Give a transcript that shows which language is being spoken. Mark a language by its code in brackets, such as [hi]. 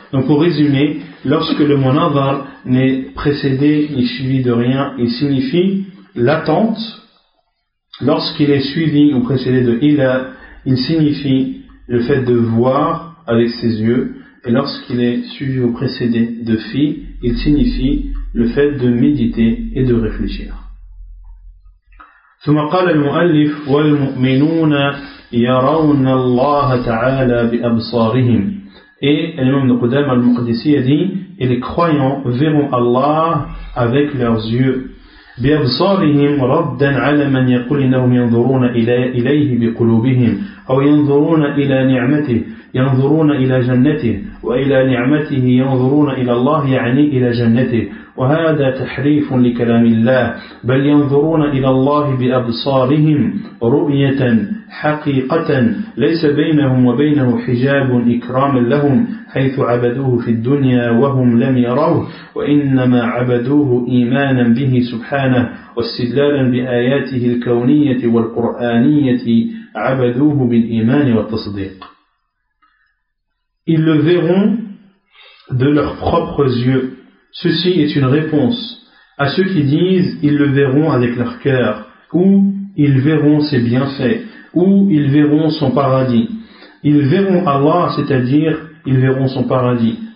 [fr] Donc pour résumer, lorsque le mot nazar n'est précédé ni suivi de rien, il signifie l'attente. Lorsqu'il est suivi ou précédé de ila, il signifie le fait de voir avec ses yeux. Et lorsqu'il est suivi ou précédé de fi, il signifie le fait de méditer et de réfléchir. [ar] ثم قال المؤلف والمؤمنون يرون الله تعالى بأبصارهم. [fr] Et l'imam de Qudama al-Muqdisi a dit, et les croyants verront Allah avec leurs yeux. [ar] بِأَبْصَارِهِمْ رَدًّا عَلَى مَنْ يَقُلْ إِنَّهُمْ يَنْظُرُونَ إِلَيْهِ بِقُلُوبِهِمْ أَوْ يَنْظُرُونَ إِلَى نِعْمَتِهِ يَنْظُرُونَ إِلَى جَنَّتِهِ وَإِلَى نِعْمَتِهِ يَنْظُرُونَ إِلَى اللَّهِ يعني إلى جَنَّتِهِ وهذا تحريف لكلام الله بل ينظرون إلى الله بأبصارهم رؤية حقيقة ليس بينهم وبينه حجاب إكرام لهم حيث عبدوه في الدنيا وهم لم يروه وإنما عبدوه إيمانا به سبحانه واستدلالا بآياته الكونية والقرآنية عبدوه بالإيمان والتصديق. [fr] Ils le verront de leurs propres yeux. Ceci est une réponse à ceux qui disent « ils le verront avec leur cœur » ou « ils verront ses bienfaits » ou « ils verront son paradis ». Ils verront Allah, c'est-à-dire « ils verront son paradis ».